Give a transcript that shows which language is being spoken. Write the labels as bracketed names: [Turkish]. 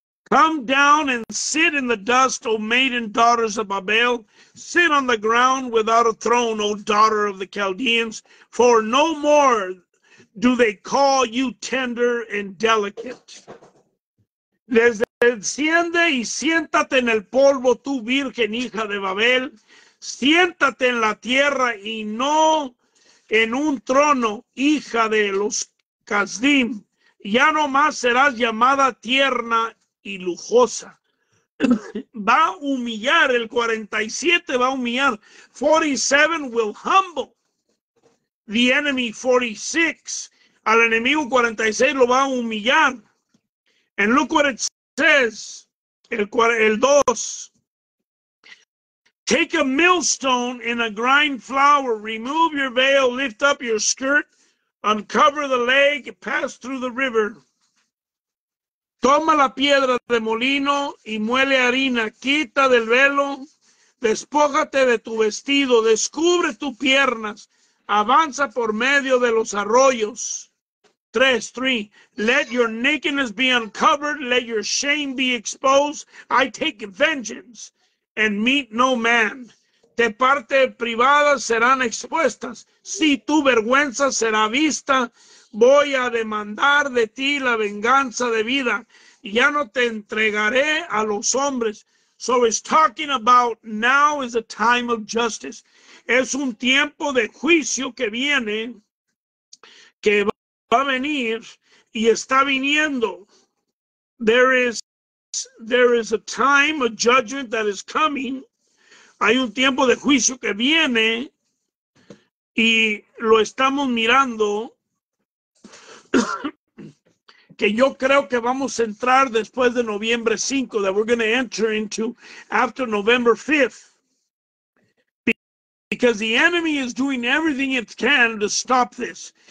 [English] Come down and sit in the dust, O maiden daughters of Babel. Sit on the ground without a throne, O daughter of the Chaldeans. For no more do they call you tender and delicate. [Spanish] Desde enciende y siéntate en el polvo, tú virgen hija de Babel. Siéntate en la tierra y no en un trono, hija de los Casdim. Ya no más serás llamada tierna y lujosa. Va a humillar, el 47 va a humillar. [English] 47 will humble the enemy. [Spanish] 46, al enemigo 46 lo va a humillar. [English] And look what it says, el 2. Take a millstone and a grind flour, remove your veil, lift up your skirt, uncover the leg, pass through the river. [Spanish] Toma la piedra de molino y muele harina, quita del velo, despójate de tu vestido, descubre tus piernas, avanza por medio de los arroyos. 3. [English] Let your nakedness be uncovered, let your shame be exposed. I take vengeance and meet no man. [Spanish] De parte privada serán expuestas, si tu vergüenza será vista. Voy a demandar de ti la venganza debida, y ya no te entregaré a los hombres. [English] So it's talking about now is a time of justice. [Spanish] Es un tiempo de juicio que viene, que va a venir y está viniendo. [English] There is a time of judgment that is coming. [Spanish] Hay un tiempo de juicio que viene y lo estamos mirando. Que yo creo que vamos a entrar después de noviembre 5, [English] that we're going to enter into after November 5th, because the enemy is doing everything it can to stop this.